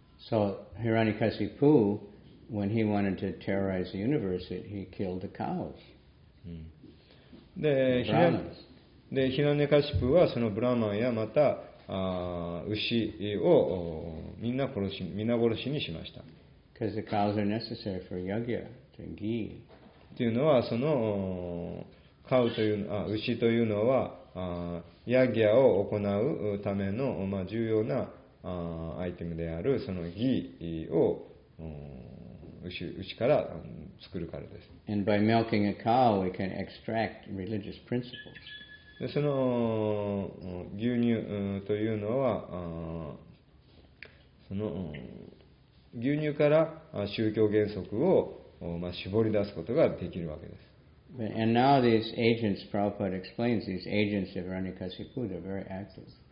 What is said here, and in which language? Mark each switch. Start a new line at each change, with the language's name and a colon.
English: So Hiranyakashipu, when he wanted to terrorize the universe, he killed the cows.
Japanese: で、Hiranyakashipu はそのブラーマンやまた牛をみんな殺し、皆殺しにしました。
English: Because the cows are necessary for yagya and ghee.
Japanese: というのはその牛というのはヤギアを行うための、まあ、重要なアイテムであるそのギーを 牛から作るからです。
English: And by milking a cow, we can extract religious principles.
Japanese: でその牛乳というのはその牛乳から宗教原則を、まあ、絞り出すことができるわけです。
English: And now these agents, Prabhupada explains, these agents of Hiranyakashipu, they're very active.